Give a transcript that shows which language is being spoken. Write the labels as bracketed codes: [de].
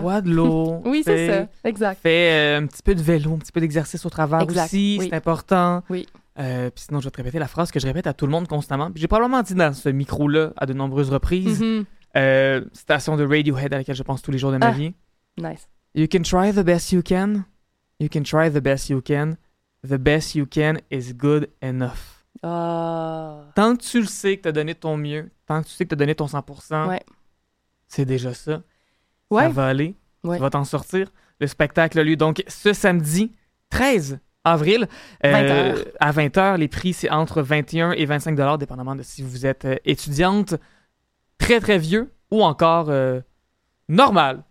[fr] Bois de l'eau. Oui, c'est ça. Exact. Fais un petit peu de vélo, un petit peu d'exercice au travail aussi. Oui. C'est important. Oui. Puis sinon, je vais te répéter la phrase que je répète à tout le monde constamment. Puis j'ai probablement dit dans ce micro-là à de nombreuses reprises. Mm-hmm. Station de Radiohead à laquelle je pense tous les jours de ma vie. [en] Nice. You can try the best you can. You can try the best you can. The best you can is good enough. [fr] Tant que tu le sais que t'as donné ton mieux, tant que tu sais que t'as donné ton 100%, ouais, c'est déjà ça. Ouais. Ça va aller, ouais, tu vas t'en sortir. Le spectacle a lieu donc ce samedi 13 avril 20h. À 20h. Les prix, c'est entre 21 et 25 $ dépendamment de si vous êtes étudiante, très très vieux ou encore normal.